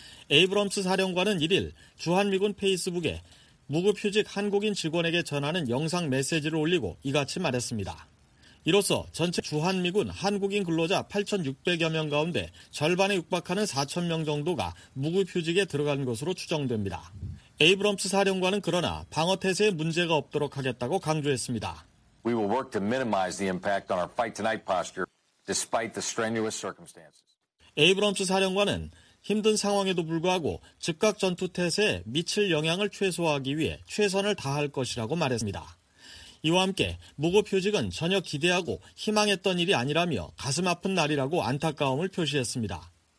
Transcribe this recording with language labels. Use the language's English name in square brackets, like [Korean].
[Korean] 에이브럼스 사령관은 1일 주한미군 페이스북에 무급휴직 한국인 직원에게 전하는 영상 메시지를 올리고 이같이 말했습니다. 이로써 전체 주한미군 한국인 근로자 8,600여 명 가운데 절반에 육박하는 4천 명 정도가 무급휴직에 들어간 것으로 추정됩니다. 에이브럼스 사령관은 그러나 방어태세에 문제가 없도록 하겠다고 강조했습니다. [English] We will work to minimize the impact on our fight tonight posture despite the strenuous circumstances. [Korean] 에이브럼스 사령관은 힘든 상황에도 불구하고 즉각 전투태세에 미칠 영향을 최소화하기 위해 최선을 다할 것이라고 말했습니다. 이와 함께 무급휴직은 전혀 기대하고 희망했던 일이 아니라며 가슴 아픈 날이라고 안타까움을 표시했습니다.